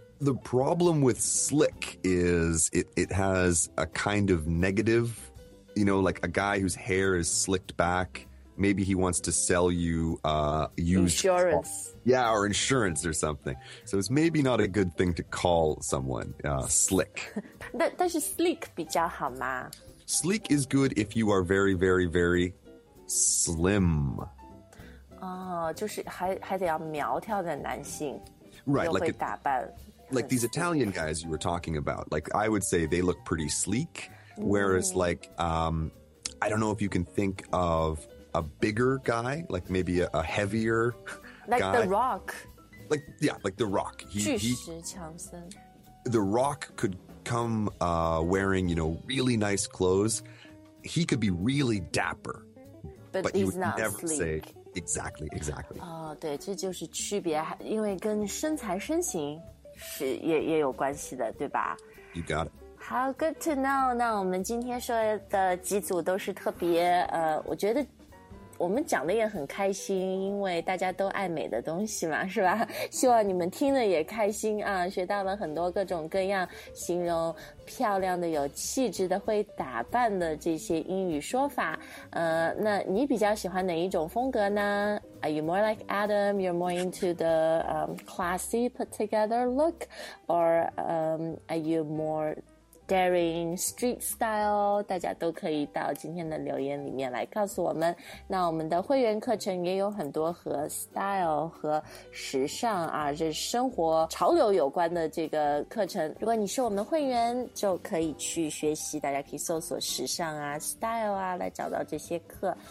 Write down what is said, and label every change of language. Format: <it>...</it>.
<en>The problem with slick is it has a kind of negative, you know, like a guy whose hair is slicked back, maybe he wants to sell you used... Insurance. Yeah, or insurance or something. So it's maybe not a good thing to call someone slick.</en> <zh>但是 sleek 比较好吗?</zh> <en>Sleek is good if you are very, very, very... slim.</en> <zh>Oh, 就是还得要苗条的男性。</zh> <en>Right, like,</en> <zh>又会打扮。</zh> <en>Like these Italian guys you were talking about, like I would say they look pretty sleek, whereas like, I don't know if you can think of a bigger guy, like maybe a heavier like guy. Like The Rock. Like, yeah, like The Rock.</en> <zh>巨石强森。</zh> <en>The Rock could come wearing, you know, really nice clothes. He could be really dapper. But you would not never、 sleek. Say exactly, exactly.</en> <zh>Oh, 对，这就是区别，因为跟身材身形是也有关系的，对吧</zh> <en>？You got it. 好 ，good to know.</en> <zh>那我们今天说的几组都是特别，我觉得我们讲的也很开心，因为大家都爱美的东西嘛，是吧？希望你们听的也开心啊，学到了很多各种各样形容漂亮的、有气质的、会打扮的这些英语说法。那你比较喜欢哪一种风格呢？</zh> <en>Are you more like Adam? You're more into the classy put together look? Or are you more daring street style?</en> <zh>大家都可以到今天的留言里面来告诉我们。那我们的会员课程也有很多和 style 和时尚啊，这生活潮流有关的这个课程，如果你是我们的会员就可以去学习，大家可以搜索时尚啊 style 啊来找到这些课。</zh>